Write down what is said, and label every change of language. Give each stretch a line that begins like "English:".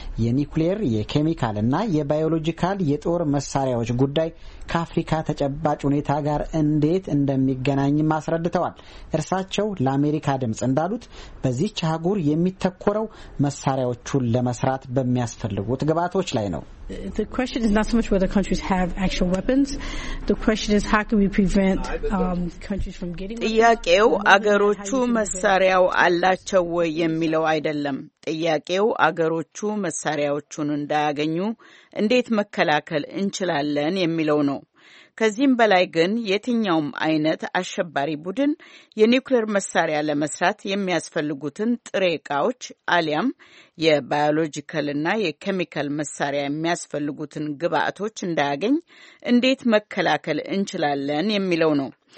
Amharic: የኒኩሌር፣ የኬሚካልና የባዮሎጂካል የጦር መሳሪያዎች ጉዳይ ከአፍሪካ ተጨባጭ ሁኔታ ጋር እንዴት እንደሚገናኝም አስረድተዋል። እርሳቸው ለአሜሪካ ድምፅ እንዳሉት በዚህች አህጉር የሚተኮረው መሳሪያዎቹን ለመስራት በሚያስፈልጉት ግብዓቶች ላይ ነው።
English: The question is not so much whether countries have actual weapons. The question is how can we prevent countries from getting weapons?
Amharic: ጥያቄው አገሮቹ መሳሪያው አላቸው ወይ የሚለው አይደለም። ጥያቄው አገሮቹ መሳሪያዎቹን እንዳያገኙ እንዴት መከላከል እንችላለን የሚለው ነው። ከዚህም በላይ ግን የትኛውም አይነት አሸባሪ ቡድን የኒውክሌር መሳሪያ ለመስራት የሚያስፈልጉትን ጥሬ ዕቃዎች አሊያም የባዮሎጂካልና የኬሚካል መሳሪያ የሚያስፈልጉትን ግብዓቶች እንዳያገኝ እንዴት መከላከል እንችላለን የሚለው ነው።